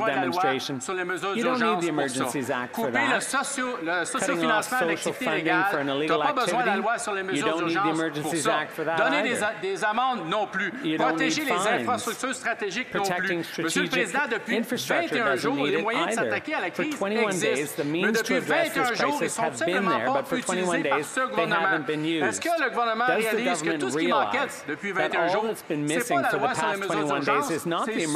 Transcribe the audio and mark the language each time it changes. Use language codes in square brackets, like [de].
[en] You don't need the Emergencies Act for that. Cutting off social funding for an illegal activity. You don't need the Emergencies Act for that. [fr] Donner des amendes non plus. [en] You don't need [fr] les infrastructures stratégiques non plus. Monsieur le Président, depuis 21 jours, les moyens de s'attaquer à la crise existent. [en] For 21 days, the means to address this crisis have been there, but for 21 days, they haven't been used. [fr] Est-ce que le gouvernement réalise que tout ce qui manquait depuis 21 jours, c'est pas la loi sur les mesures d'urgence, c'est son leadership.